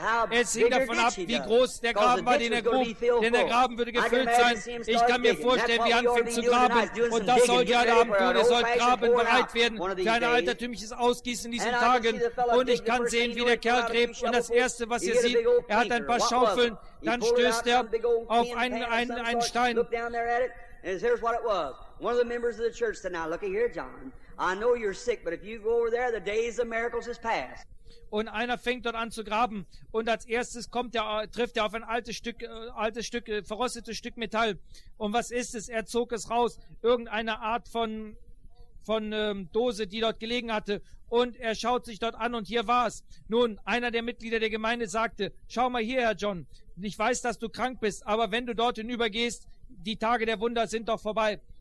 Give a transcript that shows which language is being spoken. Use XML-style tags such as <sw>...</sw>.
<de>Es hing davon ab, wie groß der Graben war, den er grub, denn der Graben würde gefüllt sein. Ich kann mir vorstellen, wie er anfängt zu graben. Und das sollte er Abend tun. Er sollte graben, bereit werden für ein altertümliches Ausgießen in diesen Tagen. Und ich kann sehen, wie der Kerl gräbt. Und das Erste, was er sieht, er hat ein paar Schaufeln. Dann stößt er auf einen Stein.</de> <en>One of the members of the church said, now look here, John, I know you're sick, but if you go over there, the days of miracles is past.</en> <de>Und einer fängt dort an zu graben und als erstes trifft er auf ein altes Stück, verrostetes Stück Metall. Und was ist es? Er zog es raus, irgendeine Art von Dose, die dort gelegen hatte. Und er schaut sich dort an und hier war es. Nun, einer der Mitglieder der Gemeinde sagte, schau mal hier, Herr John, ich weiß, dass du krank bist, aber wenn du dort hinübergehst, die Tage der Wunder sind doch vorbei.</de>